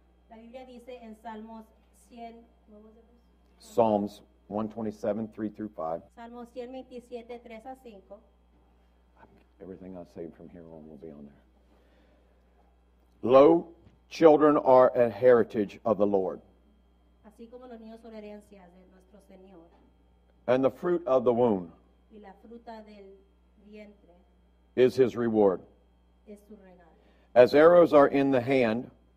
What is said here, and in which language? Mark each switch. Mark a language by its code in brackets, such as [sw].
[es] La Biblia dice en Salmos 100. [en] Psalms 127:3-5. [es] Salmos 127:3-5. [en] Everything I say from here on will be on there. Lo, children are a heritage of the Lord. [es] Así como los niños son herencia de nuestro Señor. [en] And the fruit of the womb [es] y la fruta del vientre [en] is his reward. [es] Es su regalo. [en] As arrows are in the hand,